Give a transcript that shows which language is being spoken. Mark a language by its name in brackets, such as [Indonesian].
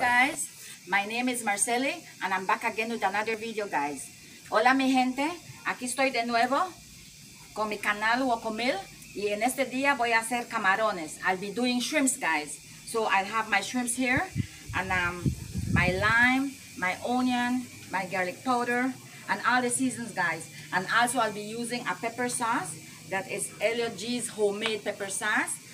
[English] Guys, my name is Marcelle, and I'm back again with another video, guys. [Spanish] Hola, mi gente. Aquí estoy de nuevo con mi canal Wokomil, y en este día voy a hacer camarones. [English] I'll be doing shrimps, guys. So I have my shrimps here, and my lime, my onion, my garlic powder, and all the seasons, guys. And also I'll be using a pepper sauce that is Elliot G's homemade pepper sauce.